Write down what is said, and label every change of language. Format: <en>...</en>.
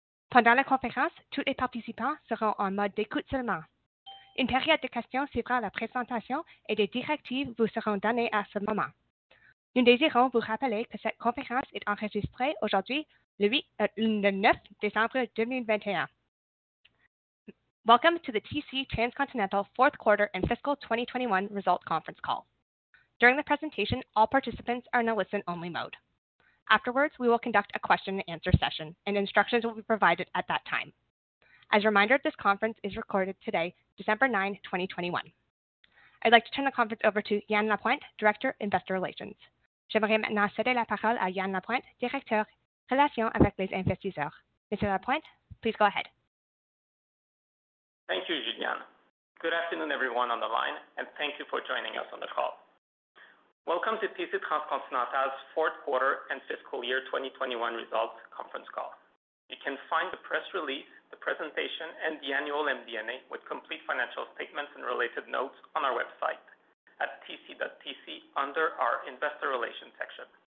<fr>Pendant la conférence, tous les participants seront en mode d'écoute seulement. Une période de questions suivra la présentation et des directives vous seront données à ce moment. Nous désirons vous rappeler que cette conférence est enregistrée aujourd'hui, le 9 décembre 2021.</fr> <en>Welcome to the TC Transcontinental Fourth Quarter and Fiscal 2021 Result Conference Call. During the presentation, all participants are in a listen-only mode. Afterwards, we will conduct a question and answer session, and instructions will be provided at that time. As a reminder, this conference is recorded today, December 9, 2021. I'd like to turn the conference over to Yan Lapointe, Director, Investor Relations.</en> <fr>J'aimerais maintenant céder la parole à Yan Lapointe, Directeur, Relations avec les Investisseurs.</fr> <en>Monsieur Lapointe, please go ahead. Thank you, Julianne. Good afternoon, everyone on the line, and thank you for joining us on the call. Welcome to TC Transcontinental's fourth quarter and fiscal year 2021 results conference call. You can find the press release, the presentation, and the annual MD&A with complete financial statements and related notes on our website at tc.tc under our Investor Relations section.</en>